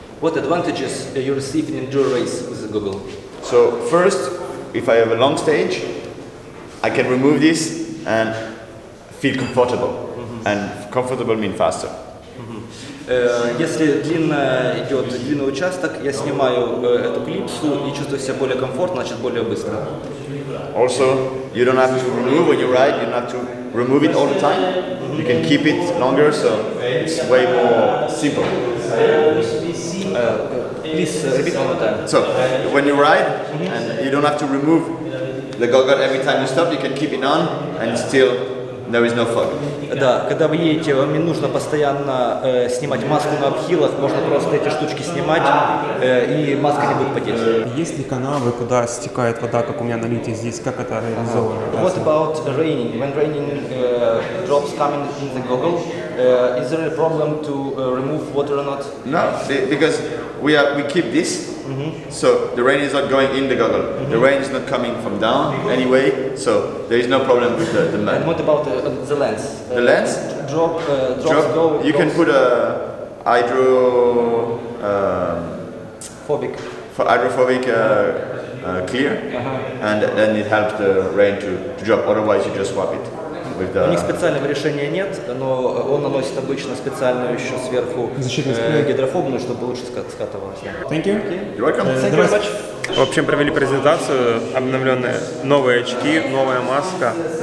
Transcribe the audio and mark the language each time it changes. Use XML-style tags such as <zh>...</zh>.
<en>What advantages you receive in enduro race with Google? So first, if I have a long stage, I can remove this and feel comfortable. Mm-hmm. And comfortable means faster.</en> <ru>Если длинная идет длинный участок, я снимаю эту клипсу и чувствую себя более комфортно, значит более быстро.</ru> <en>Also, you don't have to remove when you ride, you don't have to remove it all the time. You can keep it longer, so it's way more simple. Please repeat one more time. So, when you ride and you don't have to remove the goggle every time you stop, you can keep it on and still there is no fog.</en> <ru>Да, когда вы едете, вам не нужно постоянно снимать маску на обхилах, можно просто эти штучки снимать, и маска не будет потеть. Есть ли канавы, куда стекает вода, как у меня на лите здесь, как это реализовано?</ru> <en>What about raining? When raining drops coming in the goggle, is there a problem to remove water or not? No, because we keep this, so the rain is not going in the goggle. Mm-hmm. The rain is not coming from down anyway, so there is no problem with the mud. And what about the lens? The lens? Drops go. Can put a hydro... Phobic. Hydrophobic clear, uh-huh. And then it helps the rain to drop, otherwise you just swap it.</en> <ru>У них специального решения нет, но он наносит обычно специальную еще сверху гидрофобную, чтобы лучше скатывалось.</ru> <en>Thank you. You're welcome. Thank you very much.</en> <ru>В общем, провели презентацию, обновленные новые очки, новая маска.</ru>